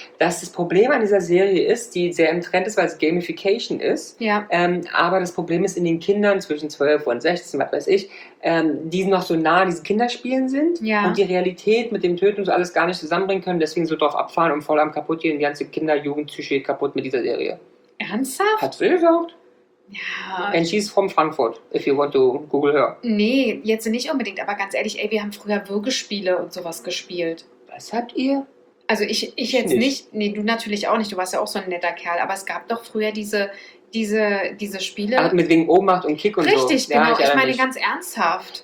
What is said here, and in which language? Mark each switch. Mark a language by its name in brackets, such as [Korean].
[German] Dass das Problem an dieser Serie ist, die sehr im Trend ist, weil es Gamification ist. Ja. Aber das Problem ist in den Kindern zwischen 12 und 16, was weiß ich, die noch so nah an diesen Kinderspielen sind und die Realität mit dem Töten und so alles gar nicht zusammenbringen können, deswegen so drauf abfahren und voll am kaputt gehen, die ganze Kinder-Jugend-Psyche kaputt mit dieser Serie. Ernsthaft? Hat sie gesagt. Ja. [English] And she's from Frankfurt, if you want to Google her. [German] Nee, jetzt nicht unbedingt, aber ganz ehrlich, ey, wir haben früher Würgespiele und sowas gespielt. Was habt ihr? Also ich jetzt nicht. Nee, du natürlich auch nicht, du warst ja auch so ein netter Kerl, aber es gab doch früher diese Spiele. Also mit wegen Ohnmacht und Kick und richtig, so. Richtig, genau, ich meine ganz ernsthaft.